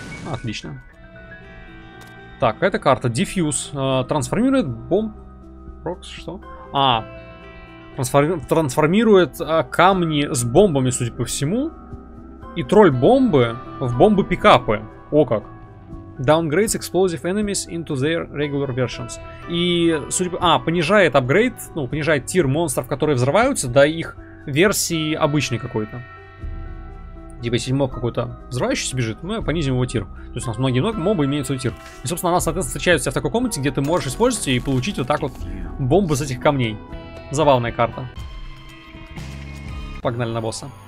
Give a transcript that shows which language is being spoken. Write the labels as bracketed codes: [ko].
[ru] Отлично. Так, эта карта. Diffuse. Трансформирует бомб... Прокс, что? А. Трансформирует камни с бомбами, судя по всему. И тролль бомбы в бомбы пикапы. О как. [en] Downgrades explosive enemies into their regular versions. [ru] И, судя по... А, понижает апгрейд, ну, понижает тир монстров, которые взрываются, до их версии обычной какой-то. Типа, если моб какой-то взрывающийся бежит, мы понизим его тир. То есть у нас многие мобы имеют свой тир. И, собственно, она, соответственно, встречается в такой комнате, где ты можешь использовать ее и получить вот так вот бомбы с этих камней. Забавная карта. Погнали на босса.